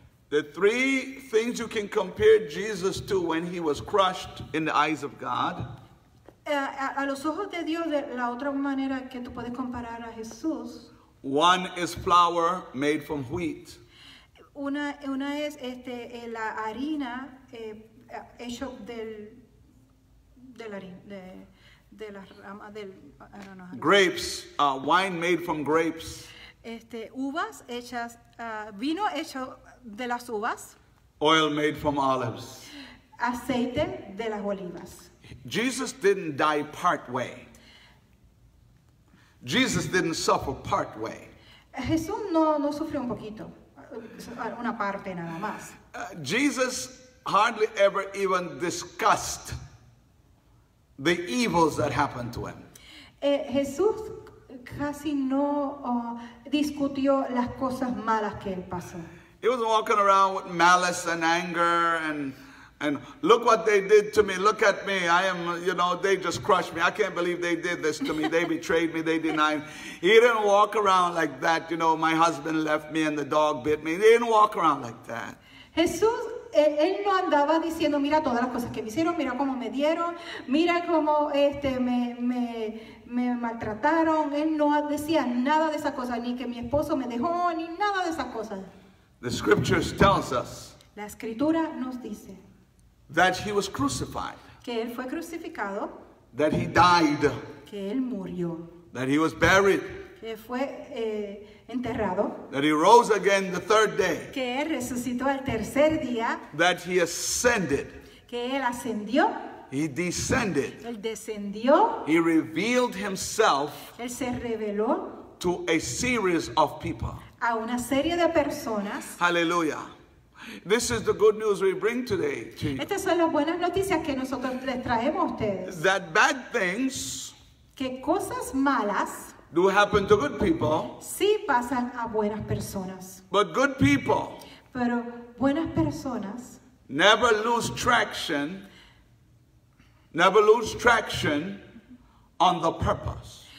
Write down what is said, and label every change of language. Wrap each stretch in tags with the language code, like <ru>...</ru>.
<en>The three things you can compare Jesus to when he was crushed in the eyes of God.</en> <es>A los ojos de Dios, la otra manera que tú puedes comparar a Jesús.</es> <en>One is flour made from wheat.</en> <es>Una es la harina hecho de la rama del.</es> <en>Grapes, wine made from grapes.</en> <es>Uvas hechas, vino hecho de las uvas.</es> <en>Oil made from olives.</en> <es>Aceite de las olivas.</es> <en>Jesus didn't die part way. Jesus didn't suffer part way.</en> <es>Jesús no sufrió un poquito, una parte nada más.</es> <en>Jesus hardly ever even discussed the evils that happened to him.</en> <es>Jesús casi no discutió las cosas malas que él pasó.</es> <en>He was walking around with malice and anger and And look what they did to me. Look at me. I am, you know, they just crushed me. I can't believe they did this to me. They betrayed me. They denied me. He didn't walk around like that. You know, my husband left me and the dog bit me. They didn't walk around like that.</en> <es>Jesús, él no andaba diciendo, mira todas las cosas que me hicieron, mira cómo me dieron, mira cómo me maltrataron. Él no decía nada de esas cosas, ni que mi esposo me dejó, ni nada de esas cosas.</es> <en>The scriptures tells us.</en> <es>La escritura nos dice.</es> <en>That he was crucified.</en> <es>Que él fue crucificado.</es> <en>That he died.</en> <es>Que él murió.</es> <en>That he was buried.</en> <es>Que fue enterrado.</es> <en>That he rose again the third day.</en> <es>Que él resucitó el tercer día.</es> <en>That he ascended.</en> <es>Que él ascendió.</es> <en>He descended.</en> <es>Él descendió.</es> <en>He revealed himself.</en> <es>Él se reveló.</es> <en>To a series of people.</en> <es>A una serie de personas.</es> <en>Hallelujah. This is the good news we bring today to you.</en> <es>Estas son las buenas noticias que nosotros les traemos a ustedes.</es> <en>That bad things.</en> <es>Que cosas malas.</es> <en>Do happen to good people.</en> <es>Sí pasan a buenas personas.</es> <en>But good people.</en> <es>Pero buenas personas.</es> <en>Never lose traction. Never lose traction on the purpose.</en>